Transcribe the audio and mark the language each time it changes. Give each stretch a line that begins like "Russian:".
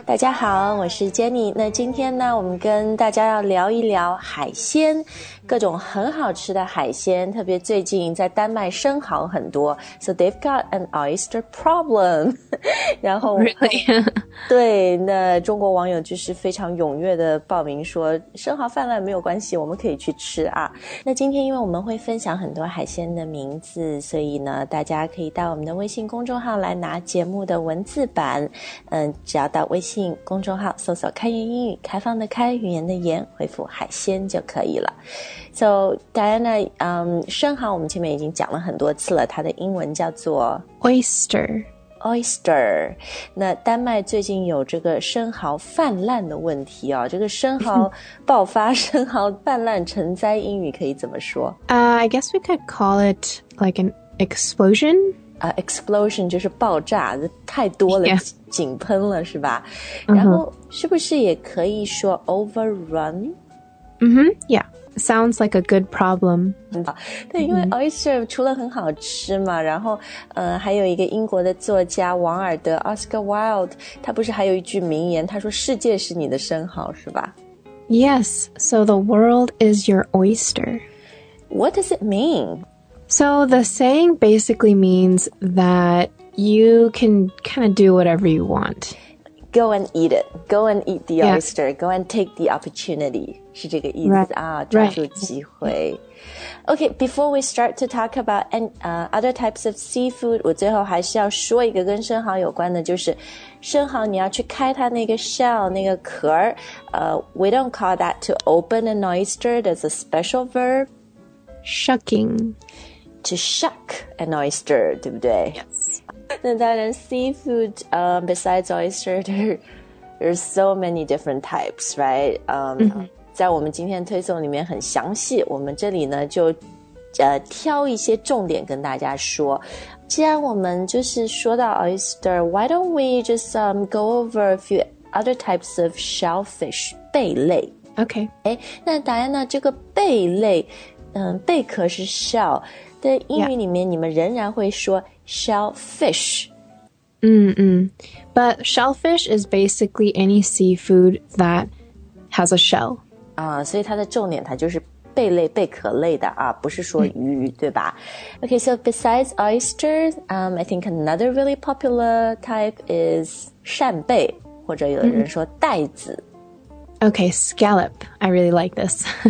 Chinese: 大家好，我是 Jenny。那今天呢，我们跟大家要聊一聊海鲜，各种很好吃的海鲜，特别最近在丹麦生蚝很多。
English: So they've got an oyster problem.
Chinese: 然后
English: Really?
Chinese: 对，那中国网友就是非常踊跃的报名说，生蚝泛滥没有关系，我们可以去吃啊。那今天因为我们会分享很多海鲜的名字，所以大家可以到我们的微信公众号来拿节目的文字版，只要到微信公众号搜索开言英语，开放的开，语言的言，回复海鲜就可以了。 So Diana, 生蚝我们前面已经讲了很多次了，它的英文叫做
English: Oyster。
Chinese: 那丹麦最近有这个生蚝泛滥的问题哦，这个生蚝爆发生蚝泛滥成灾，英语可以怎么说？
English: I guess we could call it like anExplosion?
Chinese: Explosion 就是爆炸，太多了、
English: yeah.
Chinese: 井喷了是吧、uh-huh. 然后是不是也可以说 overrun?
English: Mm-hmm, yeah, sounds like a good problem.
Chinese: 对，因为 oyster 除了很好吃嘛、mm-hmm. 然后、还有一个英国的作家王尔德 Oscar Wilde, 他不是还有一句名言，他说世界是你的生蚝是吧？
English: Yes, so the world is your oyster. What does it mean? So the saying basically means that you can kind of do whatever you want. Go and eat it. Go and eat the oyster.、Yeah. Go and take the opportunity.
Chinese: 是这个意思、
English: right.
Chinese: 啊，抓住机会。
English: Okay, before we start to talk about any, other types of seafood,
Chinese: 我最后还是要说一个跟生蚝有关的，就是生蚝你要去开它那个 shell, 那个壳。
English: We don't call that to open an oyster. That's a special verb. Shucking. To shuck an oyster,
Chinese: 对不对
English: Yes.
Chinese: 那当然 seafood,
English: besides oyster, there's so many different types, right?、
Chinese: 在我们今天推送里面很详细，我们这里呢就、挑一些重点跟大家说。既然我们就是说到
English: oyster, why don't we just、go over a few other types of shellfish, 贝类 Okay.
Chinese: 诶，那达安娜这个贝类贝壳是 shell, 但英语里面你们仍然会说 shellfish.
English: 嗯嗯 But shellfish is basically any seafood that has a shell.
Chinese: 啊、所以它的重点它就是贝类贝壳类的啊不是说鱼、对吧
English: Okay, so besides oysters,、 I think another really popular type is
Chinese: 扇贝或者有人说带子。 Mm-hmm.
English: Okay, scallop. I really like this.